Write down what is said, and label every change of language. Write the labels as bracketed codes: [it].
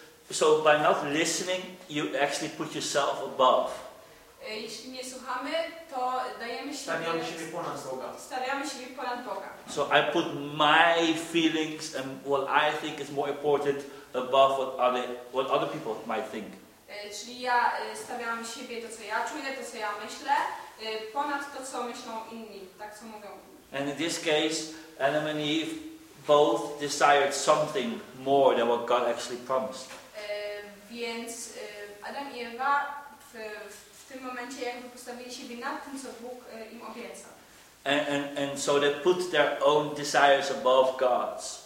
[en] So by not listening, you actually put yourself above. [pl] Jeśli nie słuchamy, to dajemy siebie. Stawiamy siebie ponad Boga. Stawiamy siebie ponad Boga. [en] So I put my feelings and what I think is more important above what other people might think. [pl] Czyli ja stawiam siebie, to co ja czuję, to co ja myślę, ponad to co myślą inni, tak co mówią. [en] And in this case, Adam and Eve both desired something more than what God actually promised. [pl] Więc Adam i Ewa w tym momencie jakby postawili siebie nad tym, co Bóg im obiecał. [en] And so they put their own desires above God's.